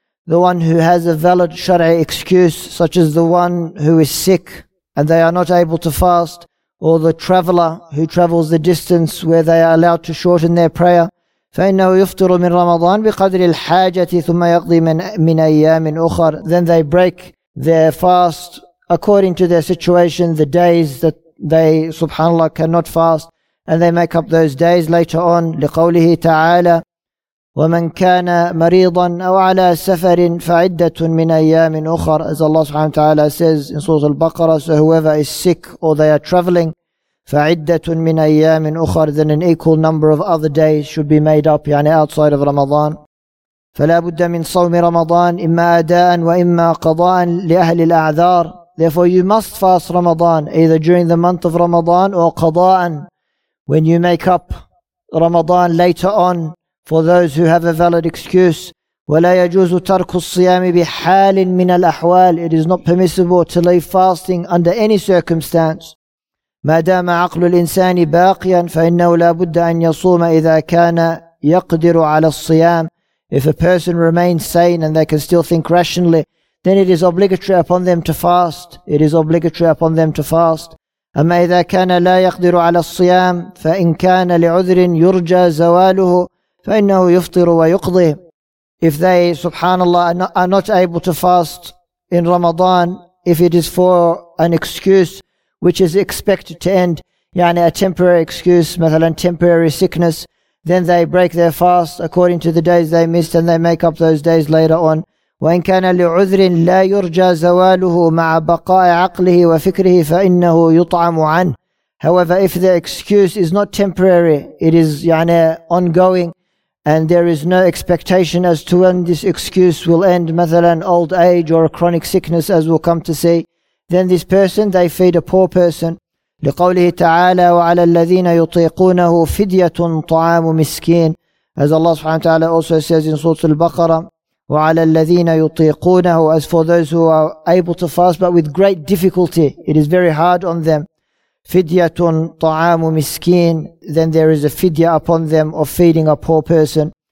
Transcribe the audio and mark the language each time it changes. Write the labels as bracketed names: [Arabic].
[English] The one who has a valid shar'i excuse, such as the one who is sick and they are not able to fast, or the traveler who travels the distance where they are allowed to shorten their prayer, [Arabic] فَإِنَّهُ يُفْطِرُ مِنْ رَمَضَانَ بِقَدْرِ الْحَاجَةِ ثُمَّ يَقْضِي مِنْ أَيَّامٍ أُخَرٍ. [English] Then they break their fast according to their situation, the days that they, subhanAllah, cannot fast, and they make up those days later on. [Arabic] لقوله تعالى وَمَنْ كَانَ مَرِيضًا أَوْ عَلَى سَفَرٍ فَعِدَّةٌ مِنْ أَيَّامٍ أُخَرٍ. [English] As Allah subhanahu wa ta'ala says in Surah Al-Baqarah, so whoever is sick or they are traveling, [Arabic] فَعِدَّةٌ مِنْ أَيَّامٍ أُخَرٍ, [English] then an equal number of other days should be made up, يعني outside of Ramadan. [Arabic] فَلَا بُدَّ مِنْ صَوْمِ رَمَضَانِ إِمَّا أَدَاءً وَإِمَّا قَضَاءً لِأَهْلِ الْأَعْذَارِ. [English] Therefore you must fast Ramadan, either during the month of Ramadan or قَضَاءً, when you make up Ramadan later on for those who have a valid excuse. [Arabic] وَلَا يَجُوزُ تَرْكُ الصِّيَامِ بِحَالٍ مِنَ الْأَحْوَالِ. [English] It is not permissible to leave fasting under any circumstance. [Arabic] ما دام عقل الإنسان باقيا فإنه لا بد أن يصوم إذا كان يقدر على الصيام. [English] If a person remains sane and they can still think rationally, then it is obligatory upon them to fast. It is obligatory upon them to fast. [Arabic] أما إذا كان لا يقدر على الصيام فإن كان لعذر يرجى زواله فإنه يفطر ويقضي. [English] If they, subhanAllah, are not able to fast in Ramadan, if it is for an excuse which is expected to end, يعني a temporary excuse, مثلا temporary sickness, then they break their fast according to the days they missed and they make up those days later on. [Arabic] وَإِنْ كَانَ لِعُذْرٍ لَا يُرْجَى زَوَالُهُ مَعَ بَقَاءِ عَقْلِهِ وَفِكْرِهِ فَإِنَّهُ يُطْعَمُ عَنْهُ. [English] However, if the excuse is not temporary, it is يعني ongoing, and there is no expectation as to when this excuse will end, مثلا old age or a chronic sickness, as we'll come to see, then this person, they feed a poor person. [Arabic] لقوله تعالى وعلى الذين يطيقونه فدية طعام مسكين. [English] As Allah subhanahu wa ta'ala also says in Surah Al-Baqarah, [Arabic] وعلى الذين يطيقونه, [English] as for those who are able to fast but with great difficulty, it is very hard on them. [Arabic] فدية طعام مسكين, [English] then there is a fidya upon them of feeding a poor person.